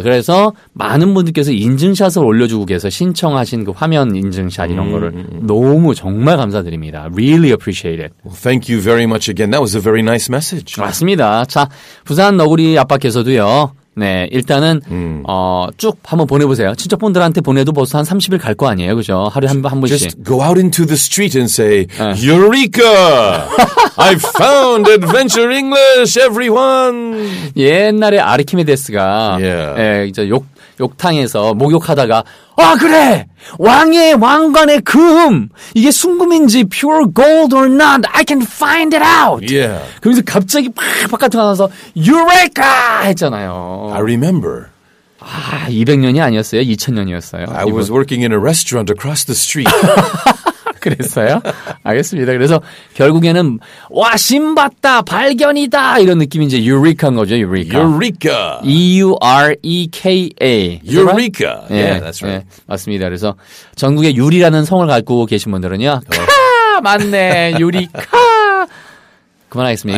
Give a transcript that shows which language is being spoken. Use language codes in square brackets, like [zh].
[ko] 그래서 많은 분들께서 인증샷을 올려주고 계셔서 신청하신 그 화면 인증샷 이런 거를 너무 정말 감사드립니다. [en] Really appreciate it. Well, thank you very much again. That was a very nice message. [ko] 맞습니다. 자, 부산 너구리 아빠께서도요. 네, 일단은 쭉 한번 보내보세요. 친척분들한테 보내도 벌써 한 30일 갈 거 아니에요, 그죠? 하루에 한 번씩. [en] Just go out into the street and say, 네. Eureka! I found Adventure English, everyone! [ko] 옛날에 아르키메데스가 [en] yeah. [ko] 네, 이제 욕탕에서 목욕하다가 아, 그래! 왕의 왕관의 금! 이게 순금인지 [en] pure gold or not, I can find it out! Yeah. [ko] 그러면서 갑자기 팍 바깥으로 나와서 유레카! 했잖아요. [en] I remember. [ko] 아, 200년이 아니었어요. 2000년이었어요. [en] I was working in a restaurant across the street. [ko] 그랬어요? 알겠습니다. 그래서 결국에는 와, 신봤다, 발견이다 이런 느낌이 이제 유레카인 거죠, 유레카. 유레카. [en] E-U-R-E-K-A. 유레카. Right? Yeah, that's right. [ko] 네, 맞습니다. 그래서 전국에 유리라는 성을 갖고 계신 분들은요. 카! 맞네, 유리카. 그만하겠습니다.